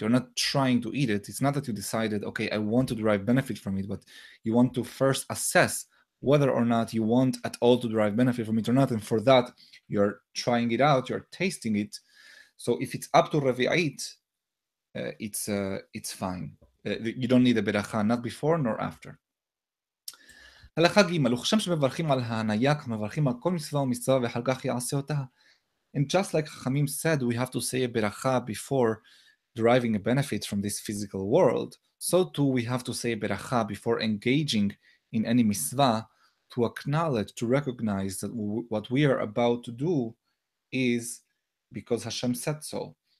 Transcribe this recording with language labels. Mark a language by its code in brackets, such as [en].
[en] You're not trying to eat it. It's not that you decided, okay, I want to derive benefit from it, but you want to first assess whether or not you want at all to derive benefit from it or not. And for that, you're trying it out, you're tasting it. So if it's up to revi'it, it's fine. You don't need a beracha, not before nor after. [he] הלכה ג' וכשם שמברכים על ההניה, כך מברכים על כל מצווה ומצווה, ואחר כך יעשה אותה. [en] And just like Chachamim said, we have to say a beracha before deriving a benefit from this physical world, so too we have to say a beracha before engaging in any mitzvah to acknowledge, to recognize that what we are about to do is because Hashem said so.